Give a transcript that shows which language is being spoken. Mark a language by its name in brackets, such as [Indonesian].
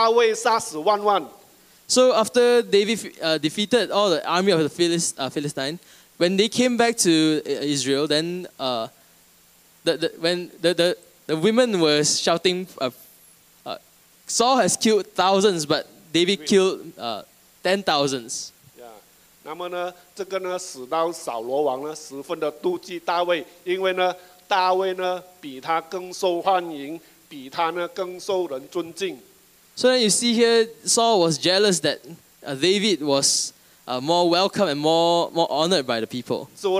[Chinese] 当那些人看到大卫和他的军队回来的时候，那些妇女就在那边歌唱说：“扫罗杀死千千，大卫杀死万万。” So [English] after David defeated all the army of the Philistine, when they came back to Israel, then the women were shouting, "Saul has killed thousands, but David killed 10,000." [Chinese] 那么呢，这个呢，使到扫罗王呢，十分的妒忌大卫，因为呢，大卫呢比他更受欢迎，比他呢更受人尊敬。So [English] then you see here, Saul was jealous that David was more welcome and more honored by the people.